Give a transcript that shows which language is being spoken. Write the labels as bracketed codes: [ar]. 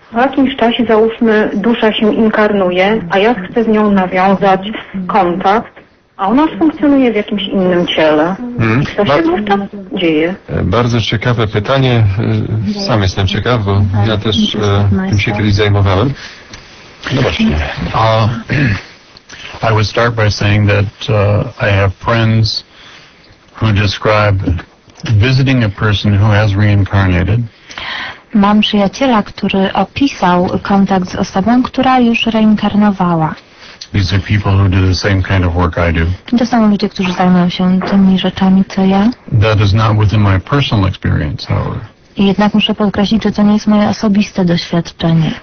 [pl] W jakimś czasie, załóżmy, dusza się inkarnuje, a ja chcę z nią nawiązać kontakt, a ona już funkcjonuje w jakimś innym ciele. Co się wówczas dzieje? Bardzo ciekawe pytanie. Sam jestem ciekaw, bo ja też tym się kiedyś zajmowałem. No właśnie. [en] I would start by saying that I have friends who describe visiting a person who has reincarnated. [pl] Mam przyjaciela, który opisał kontakt z osobą, która już reinkarnowała. [en] These are people who do the same kind of work I do. [pl] To są ludzie, którzy zajmują się tymi rzeczami, co ja. [en] That is not within my personal experience, however. [pl] I jednak muszę podkreślić, że to nie jest moje osobiste doświadczenie.